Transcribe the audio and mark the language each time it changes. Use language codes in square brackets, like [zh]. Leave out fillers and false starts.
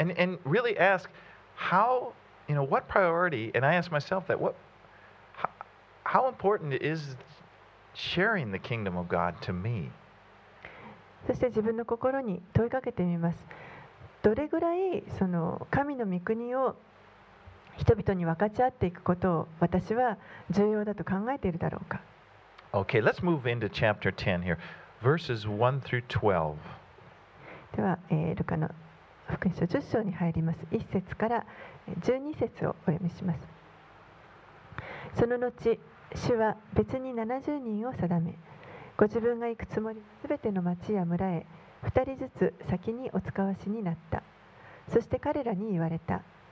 [en] and really ask how, you know, what priority, and I ask myself that, what, how important is sharing the kingdom of God to me? [ja] そして自分の心に問いかけてみます。どれぐらいその神の御国を人々に分かち合っていくことを私は重要だと考えているだろうか。 [en] Okay, let's move into chapter 10 here. Verses 1 through 12. [ja] では、ルカの福音書10章に入ります。1節から12節をお読みします。その後、主は別に70人を定め、ご自分が行くつもり、すべての町や村へ2人ずつ先にお使わしになった。そして彼らに言われた。